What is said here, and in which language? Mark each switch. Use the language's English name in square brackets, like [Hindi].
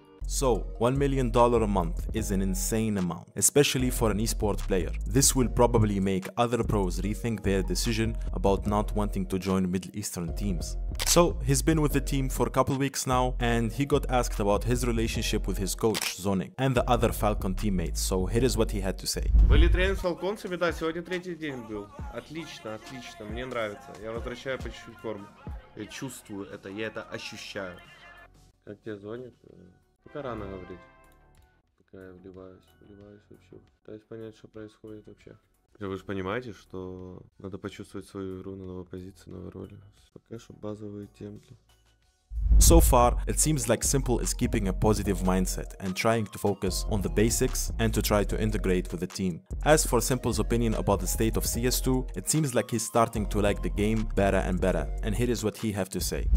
[English] So, $1 million a month is an insane amount, especially for an esport player. This will probably make other pros rethink their decision about not wanting to join Middle Eastern teams. So, he's been with the team for a couple weeks now, and he got asked about his relationship with his coach, Zonic, and the other Falcon teammates, so here is what he had to say. [Russian] Были тренинг с Falcons'ами, да, сегодня третий день был. Отлично, отлично, мне нравится. Я возвращаю по чуть-чуть форму. Я чувствую это, я это ощущаю. Как тебе Зоник? Пока рано говорить. Пока я вливаюсь вообще. Пытаюсь понять, что происходит вообще. Вы же понимаете, что надо почувствовать свою игру на новой позиции, новой роли. Пока что базовые темки. [English] So far, it seems like S1mple is keeping a positive mindset and trying to focus on the basics and to try to integrate with the team. As for S1mple's opinion about the state of CS2, it seems like he's starting to like the game better and better. And here is what he have to say.